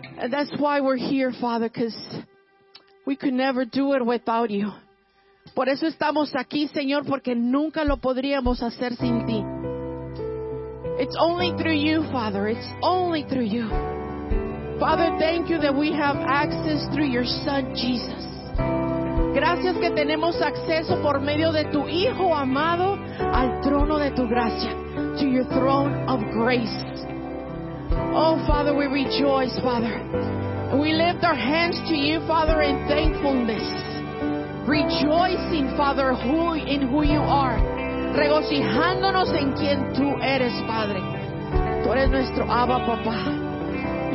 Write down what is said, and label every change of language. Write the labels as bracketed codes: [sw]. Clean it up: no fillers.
[en] That's why we're here, Father, because we could never do it without you. [es] Por eso estamos aquí, Señor, porque nunca lo podríamos hacer sin ti. [en] It's only through you, Father. It's only through you. Father, thank you that we have access through your Son, Jesus. [es] Gracias que tenemos acceso por medio de tu Hijo amado al trono de tu gracia, to your throne of grace. [en] Oh, Father, we rejoice, Father. We lift our hands to you, Father, in thankfulness. Rejoicing, Father, in who you are. [es] Regocijándonos en quien tú eres, Padre. Tú eres nuestro Abba, Papá.